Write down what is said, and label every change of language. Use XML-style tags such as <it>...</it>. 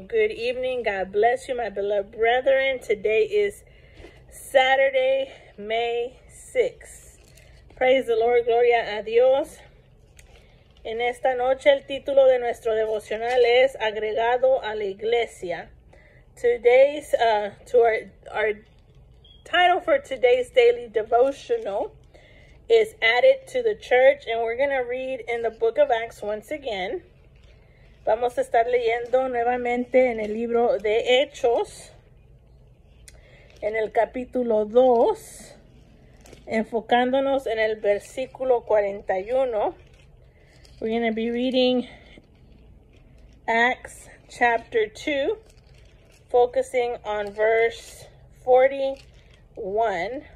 <en>Good evening, God bless you, my beloved brethren. Today is Saturday, May 6. Praise the Lord,</en> <es>gloria a Dios. En esta noche el título de nuestro devocional es Agregado a la Iglesia.</es> <en>Today's, our title for today's daily devotional is Added to the Church, and we're going to read in the book of Acts once again.</en> <es>Vamos a estar leyendo nuevamente en el libro de Hechos, en el capítulo 2, enfocándonos en el versículo 41.</es> <en>We're going to be reading Acts chapter 2, focusing on verse 41.</en>